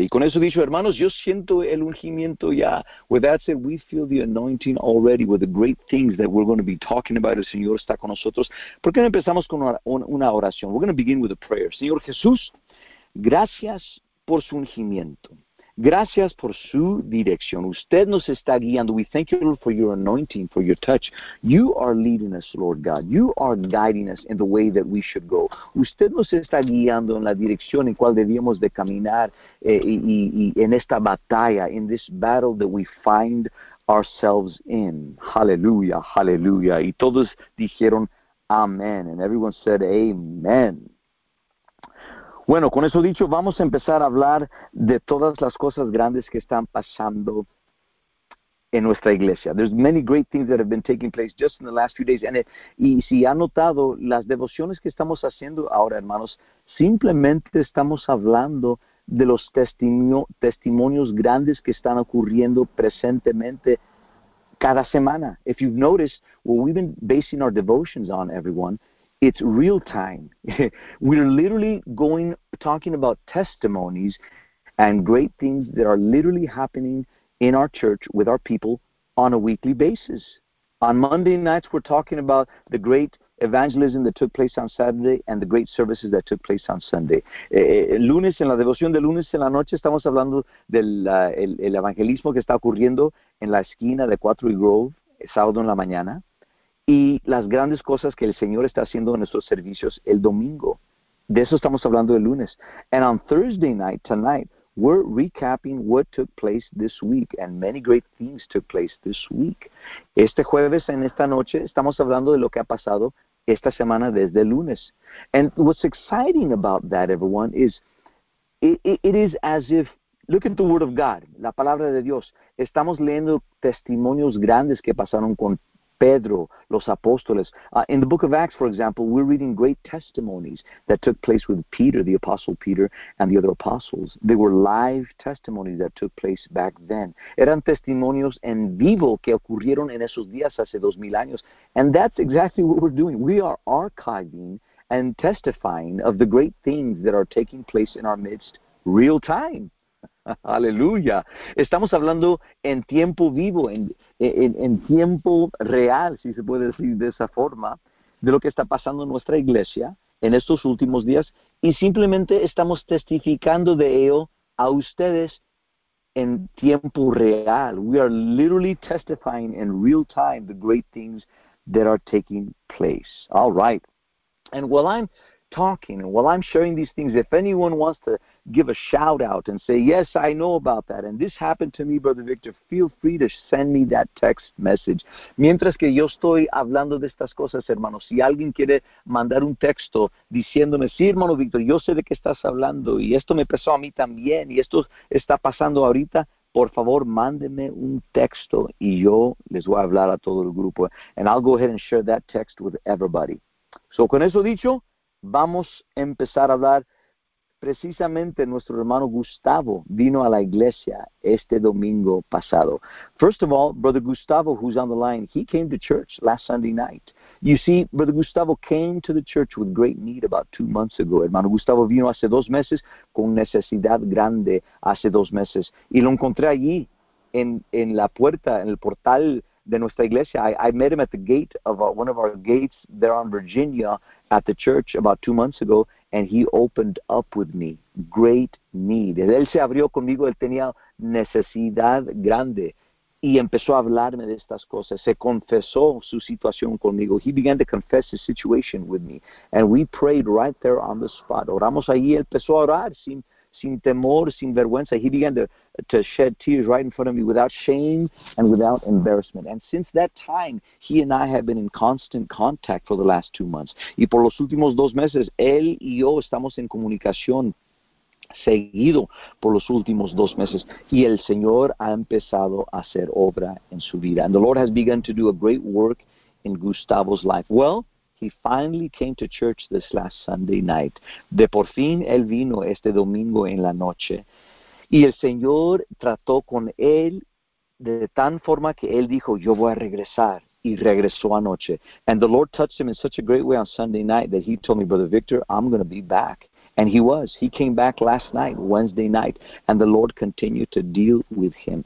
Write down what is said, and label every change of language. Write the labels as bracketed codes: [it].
[es] Y con eso dicho, hermanos, yo siento el ungimiento ya. [en] With that said, we feel the anointing already with the great things that we're going to be talking about. [es] El Señor está con nosotros. ¿Por qué no empezamos con una oración? [en] We're going to begin with a prayer. [es] Señor Jesús, gracias por su ungimiento. Gracias por su dirección. Usted nos está guiando. [en] We thank you, Lord, for your anointing, for your touch. You are leading us, Lord God. You are guiding us in the way that we should go. [es] Usted nos está guiando en la dirección en cual debíamos de caminar y en esta batalla, [en] in this battle that we find ourselves in. [es] Hallelujah, hallelujah. Y todos dijeron, amen. [en] And everyone said, amen. [es] Bueno, con eso dicho, vamos a empezar a hablar de todas las cosas grandes que están pasando en nuestra iglesia. [en] There's many great things that have been taking place just in the last few days. [es] Y si han notado, las devociones que estamos haciendo ahora, hermanos, simplemente estamos hablando de los testimonios grandes que están ocurriendo presentemente cada semana. [en] If you've noticed, what we've been basing our devotions on, everyone, it's real time. We're literally talking about testimonies and great things that are literally happening in our church with our people on a weekly basis. On Monday nights, we're talking about the great evangelism that took place on Saturday and the great services that took place on Sunday. [es] Lunes, en la devoción de lunes en la noche, estamos hablando del el evangelismo que está ocurriendo en la esquina de 4 y Grove, sábado en la mañana. Y las grandes cosas que el Señor está haciendo en nuestros servicios el domingo. De eso estamos hablando el lunes. [en] And on Thursday night, tonight, we're recapping what took place this week. And many great things took place this week. [es] Este jueves, en esta noche, estamos hablando de lo que ha pasado esta semana desde el lunes. [en] And what's exciting about that, everyone, is it is as if, look at the Word of God, [es] la Palabra de Dios. Estamos leyendo testimonios grandes que pasaron con Pedro, los apóstoles. [en] In the book of Acts, for example, we're reading great testimonies that took place with Peter, the apostle Peter, and the other apostles. They were live testimonies that took place back then. [es] Eran testimonios en vivo que ocurrieron en esos días hace 2,000 años. [en] And that's exactly what we're doing. We are archiving and testifying of the great things that are taking place in our midst real time. [es] Aleluya. Estamos hablando en tiempo vivo, en tiempo real, si se puede decir de esa forma, de lo que está pasando en nuestra iglesia en estos últimos días, y simplemente estamos testificando de ello a ustedes en tiempo real. [en] We are literally testifying in real time the great things that are taking place. All right. And while I'm talking, and while I'm sharing these things, if anyone wants to give a shout out and say, yes, I know about that, and this happened to me, Brother Victor, feel free to send me that text message. [es] Mientras que yo estoy hablando de estas cosas, hermano, si alguien quiere mandar un texto diciéndome, sí, hermano Victor, yo sé de qué estás hablando, y esto me pasó a mí también, y esto está pasando ahorita, por favor, mándenme un texto, y yo les voy a hablar a todo el grupo. [en] And I'll go ahead and share that text with everybody. [es] So, con eso dicho, vamos a empezar a hablar. Precisamente nuestro hermano Gustavo vino a la iglesia este domingo pasado. [en] First of all, Brother Gustavo, who's on the line, he came to church last Sunday night. You see, Brother Gustavo came to the church with great need about 2 months ago. [es] Hermano Gustavo vino hace 2 meses con necesidad grande hace 2 meses. Y lo encontré allí en la puerta, en el portal de nuestra iglesia. [en] I met him at the gate of one of our gates there on Virginia at the church about 2 months ago, and he opened up with me. Great need. [es] Él se abrió conmigo, él tenía necesidad grande, y empezó a hablarme de estas cosas. Se confesó su situación conmigo. [en] He began to confess his situation with me, and we prayed right there on the spot. [es] Oramos allí, él empezó a orar sin temor, sin vergüenza. [en] He began to shed tears right in front of me without shame and without embarrassment. And since that time, he and I have been in constant contact for the last 2 months. [es] Y por los últimos 2 meses, él y yo estamos en comunicación seguido por los últimos 2 meses. Y el Señor ha empezado a hacer obra en su vida. [en] And the Lord has begun to do a great work in Gustavo's life. Well, he finally came to church this last Sunday night. [es] De por fin, él vino este domingo en la noche. Y el Señor trató con él de tan forma que él dijo, yo voy a regresar. Y regresó anoche. [en] And the Lord touched him in such a great way on Sunday night that he told me, Brother Victor, I'm going to be back. And he was. He came back last night, Wednesday night, and the Lord continued to deal with him.